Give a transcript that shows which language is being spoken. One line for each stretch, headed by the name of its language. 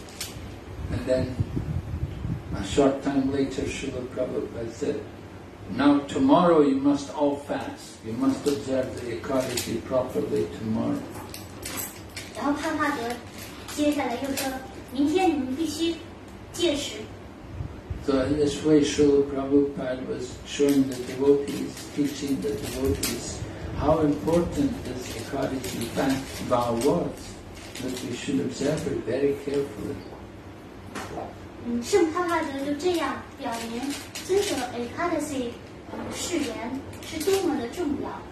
English: And then a short time later, Srila Prabhupada said, "Now tomorrow you must all fast. You must observe the Ekadasi properly tomorrow."
Chinese: 然后帕帕德接下来又说，明天你们必须戒食。
English: So in this way, Srila Prabhupada was showing the devotees, teaching the devotees how important this Ekadasi fast vow was, that we should observe it very carefully.
Chinese: 圣帕帕德就这样表明遵守Ekadasi 誓言是多么的重要。